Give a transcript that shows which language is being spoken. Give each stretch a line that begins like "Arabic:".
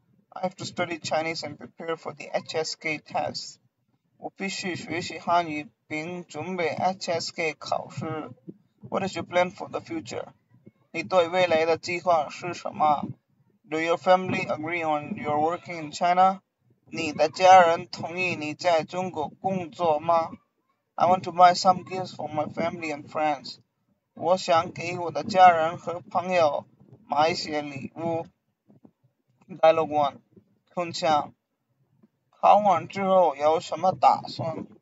English: I have to study Chinese and prepare for the HSK test.
Chinese: 我必须学习汉语并准备HSK考试.
English: What is your plan for the future?
Chinese: 你对未来的计划是什么?
English: Do your family agree on your working in China?
Chinese: 你的家人同意你在中国工作吗?
English: I want to buy some gifts for my family and friends.
Chinese: 我想给我的家人和朋友买一些礼物.
English: Dialogue 1.
Chinese: 春枪 考完之后有什么打算?